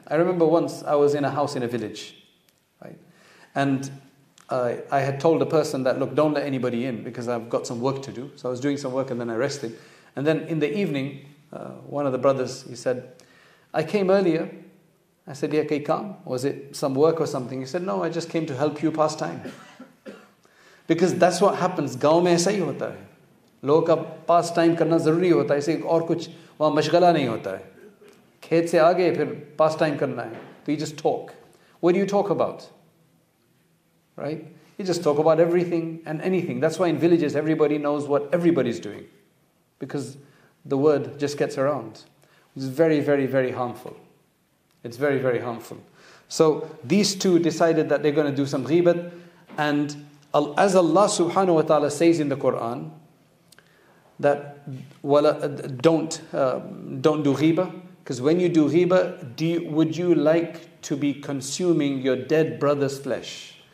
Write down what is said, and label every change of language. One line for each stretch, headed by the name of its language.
English: I remember once I was in a house in a village. Right? And I had told a person that, look, don't let anybody in because I've got some work to do. So I was doing some work and then I rested. And then in the evening, one of the brothers, he said, I came earlier. I said, yeah, okay, come. Was it some work or something? He said, no, I just came to help you pass time. Because that's what happens.
Hindi: Gaon mein aisa hi hota hai. लोग का पास time करना जरूरी होता है इसे और कुछ वहां मशगला नहीं होता है खेत से आगे फिर पास टाइम करना है तो
English: You just talk what do you talk about right You just talk about everything and anything. That's why in villages everybody knows what everybody's doing, because the word just gets around. It's very, very, very harmful. It's very, very harmful. So these two decided that they're going to do some ghibat. And as Allah subhanahu wa ta'ala says in the Quran, that don't do ghibah, because when you do ghibah, would you like to be consuming your dead brother's flesh?